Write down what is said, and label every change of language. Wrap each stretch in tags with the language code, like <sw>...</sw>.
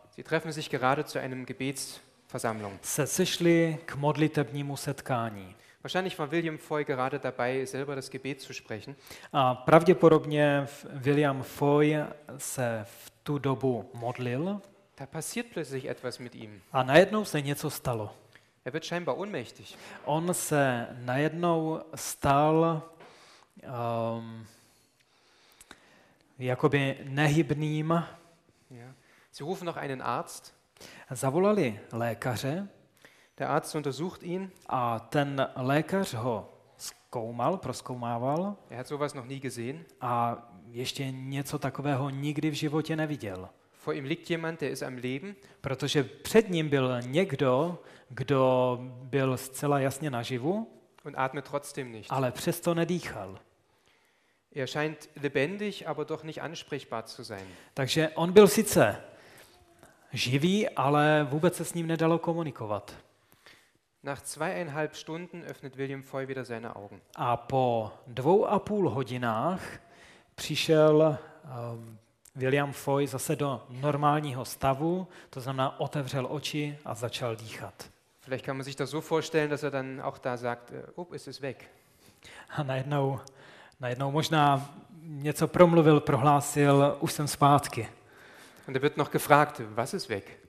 <de>Sie treffen sich gerade zu einem Gebetsversammlung.</de> <cs>Se sešli k modlitebnímu setkání.</cs> <de>Wahrscheinlich war William Foy gerade dabei, selber das Gebet zu sprechen.</de> <cs>A pravděpodobně William Foy se v tu dobu modlil.</cs> <de>Da passiert plötzlich etwas mit ihm.</de> <cs>A najednou se něco stalo.</cs> <de>Er wird scheinbar ohnmächtig.</de> <cs>On se najednou stal jakoby nehybným.</cs> <de>Ja. Sie rufen noch einen Arzt.</de> <cs>Zavolali lékaře.</cs> <de>Der Arzt untersucht ihn.</de> <cs>A ten lékař ho zkoumal, proskoumával.</cs> <de>Er hat sowas noch nie gesehen.</de> <cs>A ještě něco takového nikdy v životě neviděl.</cs> <de>Vor ihm liegt jemand, der ist am Leben.</de> <cs>Protože před ním byl někdo, kdo byl zcela jasně naživu.</cs> <de>Und atmet trotzdem nicht.</de> <cs>Ale přesto nedýchal.</cs> <de>Er scheint lebendig, aber doch nicht ansprechbar zu sein.</de> <cs>Takže on byl sice živý, ale vůbec se s ním nedalo komunikovat.</cs> <de>Nach 2,5 Stunden öffnet William Foy wieder seine Augen.</de> <cs>A po 2,5 hodinách přišel William Foy zase do normálního stavu, to znamená otevřel oči a začal dýchat.</cs> <de>Vielleicht kann man sich das so vorstellen, dass er dann auch da sagt, up, ist es weg.</de> <cs>A najednou možná něco promluvil, prohlásil, už jsem zpátky.</cs> <de>Und er wird noch gefragt, was ist weg?</de>